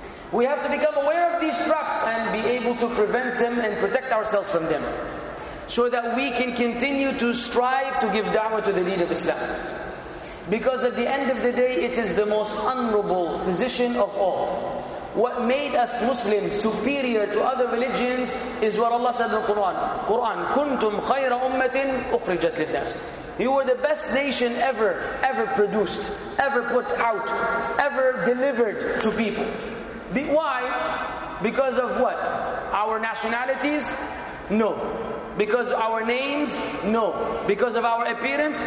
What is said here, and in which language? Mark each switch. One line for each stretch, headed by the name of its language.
English: We have to become aware of these traps and be able to prevent them and protect ourselves from them, so that we can continue to strive to give da'wah to the deen of Islam. Because at the end of the day, it is the most honorable position of all. What made us Muslims superior to other religions is what Allah said in the Quran.
Arabic: Quran, كُنْتُمْ خَيْرَ أُمَّةٍ أُخْرِجَتْ لِلنَّاسِ.
English: You were the best nation ever, ever produced, ever put out, ever delivered to people. Why? Because of what? Our nationalities? No. Because of our names? No. Because of our appearance?